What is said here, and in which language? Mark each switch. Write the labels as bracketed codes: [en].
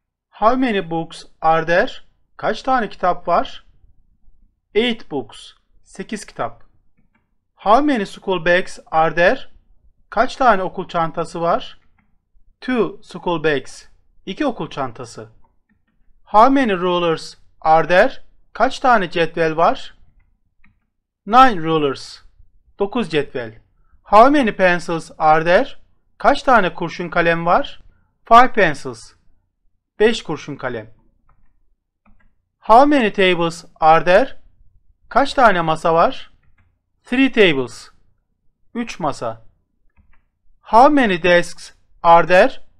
[en] How many books are there? [tr] Kaç tane kitap var? [en] 8 books. [tr] 8 kitap. [en] How many school bags are there? [tr] Kaç tane okul çantası var? [en] 2 school bags. [tr] 2 okul çantası. [en] How many rulers are there? [tr] Kaç tane cetvel var? [en] 9 rulers. [tr] 9 cetvel. [en] How many pencils are there? [tr] Kaç tane kurşun kalem var? [en] 5 pencils. [tr] 5 kurşun kalem. [en] How many tables are there? [tr] Kaç tane masa var? [en] 3 tables. [tr] 3 masa. [en] How many desks are there?